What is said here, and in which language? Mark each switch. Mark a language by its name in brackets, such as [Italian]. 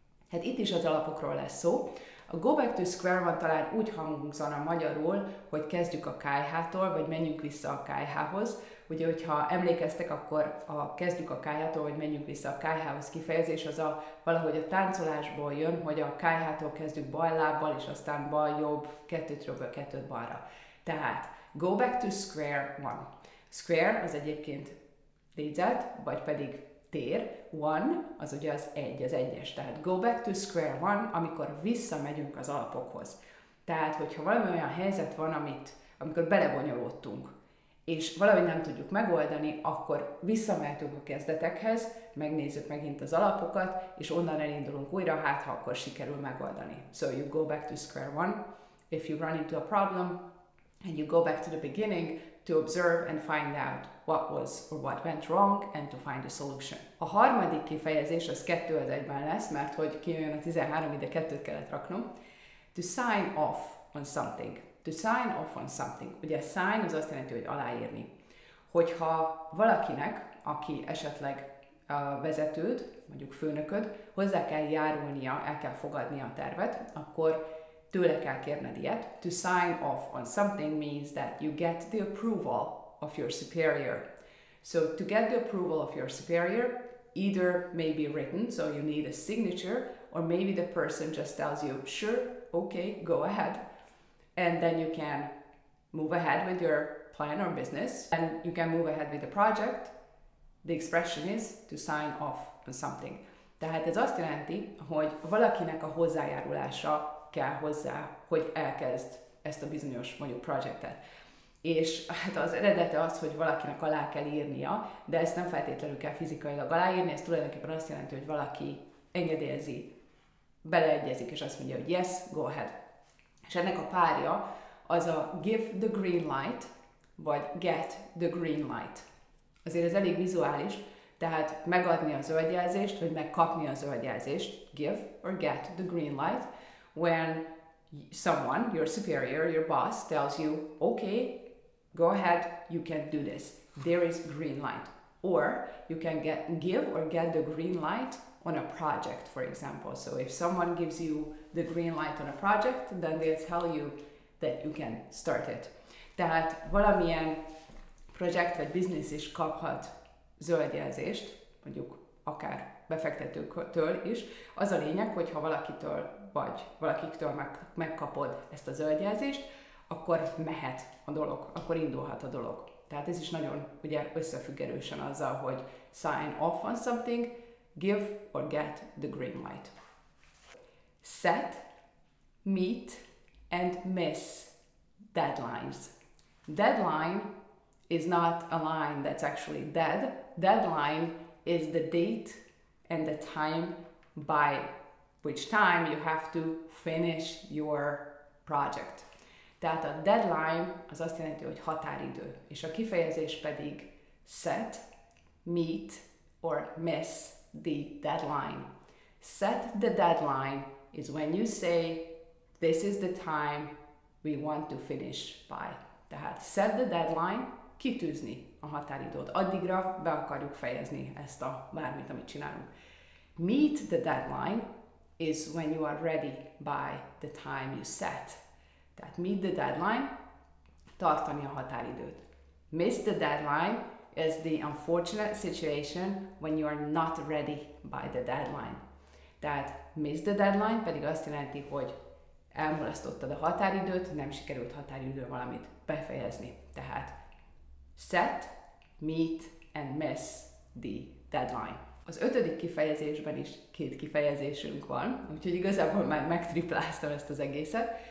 [Hungarian] Hát itt is az alapokról lesz szó. A [English] go back to square one [Hungarian] talán úgy hangzana magyarul, hogy kezdjük a kályhától, vagy menjünk vissza a kályhához. Ugye, hogyha emlékeztek, akkor a kezdjük a kályhától, vagy menjünk vissza a kályhához kifejezés, az a valahogy a táncolásból jön, hogy a kályhától kezdjük bal lábbal, és aztán bal jobb, kettőt jobbra, kettőt balra. [English] Tehát, go back to square one. [Hungarian] Square az egyébként négyzet, vagy pedig tér, one, az ugye az egy, az egyes. Tehát [English] go back to square one, [Hungarian] amikor visszamegyünk az alapokhoz. Tehát, hogyha valami olyan helyzet van, amikor belebonyolódtunk, és valami nem tudjuk megoldani, akkor visszamehetünk a kezdetekhez, megnézzük megint az alapokat, és onnan elindulunk újra, hát ha akkor sikerül megoldani. [English] So you go back to square one, if you run into a problem, and you go back to the beginning, to observe and find out what was or what went wrong and to find a solution. [Hungarian] A harmadik kifejezés az 2-1-ben lesz, mert hogy kijön a 13, ide 2-t kellett raknom. [English] To sign off on something. To sign off on something. [Hungarian] Ugye sign az azt jelenti, hogy aláírni. Hogyha valakinek, aki esetleg a vezetőd, mondjuk főnököd, hozzá kell járulnia, el kell fogadnia a tervet, akkor tőle kell kérned ilyet. [English] To sign off on something means that you get the approval of your superior. So to get the approval of your superior, either may be written, so you need a signature, or maybe the person just tells you, sure, okay, go ahead. And then you can move ahead with your plan or business, and you can move ahead with the project. The expression is to sign off on something. [Hungarian] Tehát ez azt jelenti, hogy valakinek a hozzájárulása kell hozzá, hogy elkezd ezt a bizonyos, mondjuk, projektet. És hát az eredete az, hogy valakinek alá kell írnia, de ezt nem feltétlenül kell fizikailag aláírni, ez tulajdonképpen azt jelenti, hogy valaki engedélyezi, beleegyezik, és azt mondja, hogy [English] yes, go ahead. [Hungarian] És ennek a párja az a [English] give the green light, [Hungarian] vagy [English] get the green light. [Hungarian] Azért ez elég vizuális, tehát megadni a zöld jelzést, [English] vagy megkapni a zöld jelzést, give or get the green light, when someone, your superior, your boss, tells you, okay, go ahead, you can do this. There is green light. Or you can give or get the green light on a project, for example. So if someone gives you the green light on a project, then they tell you that you can start it. [Hungarian] Tehát valamilyen projekt vagy biznisz is kaphat zöld jelzést, mondjuk akár befektetőktől is. Az a lényeg, hogy ha valakitől vagy valakiktől megkapod ezt a zöldjelzést, akkor mehet a dolog, akkor indulhat a dolog. Tehát ez is nagyon ugye összefüggerősen azzal, hogy [English] sign off on something, give or get the green light. Set, meet and miss deadlines. Deadline is not a line that's actually dead. Deadline is the date and the time by which time you have to finish your project. [Hungarian] Tehát a deadline az azt jelenti, hogy határidő, és a kifejezés pedig [English] set, meet or miss the deadline. Set the deadline is when you say this is the time we want to finish by. [Hungarian] Tehát [English] set the deadline, [Hungarian] kitűzni a határidót. Addigra be akarjuk fejezni ezt a bármit, amit csinálunk. [English] Meet the deadline is when you are ready by the time you set. [Hungarian] Tehát [English] meet the deadline, [Hungarian] tartani a határidőt. [English] Miss the deadline is the unfortunate situation when you are not ready by the deadline. [Hungarian] Tehát [English] miss the deadline [Hungarian] pedig azt jelenti, hogy elmulasztottad a határidőt, nem sikerült határidő valamit befejezni. [English] Tehát set, meet and miss the deadline. [Hungarian] Az ötödik kifejezésben is két kifejezésünk van, úgyhogy igazából már megtripláztam ezt az egészet.